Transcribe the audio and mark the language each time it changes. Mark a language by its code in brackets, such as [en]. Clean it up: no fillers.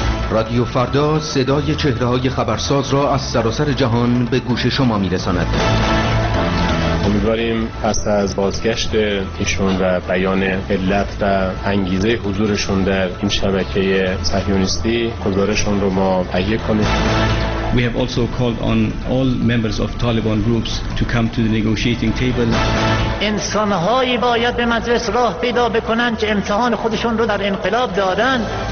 [fa] رادیو فردا صدای چهره‌های خبرساز را از سراسر جهان به گوش شما می‌رساند. امیدواریم پس از بازگشت ایشون و بیان علت و انگیزه حضورشون در این شبکه صهیونیستی گزارششون رو ما پیگیر کنیم. [en] We have also called on all members of Taliban groups to come to the negotiating table. [fa] انسان‌هایی باید به مجلس راه پیدا بکنند که امتحان خودشون رو در انقلاب دادن.